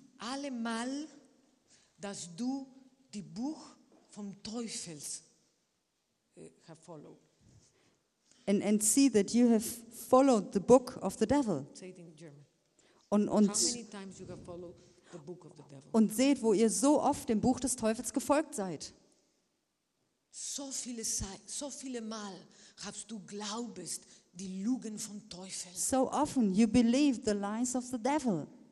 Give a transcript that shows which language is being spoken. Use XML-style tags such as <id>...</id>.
<de>Allemal, dass du die Buch vom Teufels</de> <en>have followed. And see that you have followed the book of the devil. Say it in German.</en> <de>Und</de> <en>how many times you have followed the book of the devil?</en> <de>Und seht, wo ihr so oft dem Buch des Teufels gefolgt seid. So viele Mal hast du glaubest die Lügen von Teufel.</de> <en>So often you believed the lies of the devil.</en>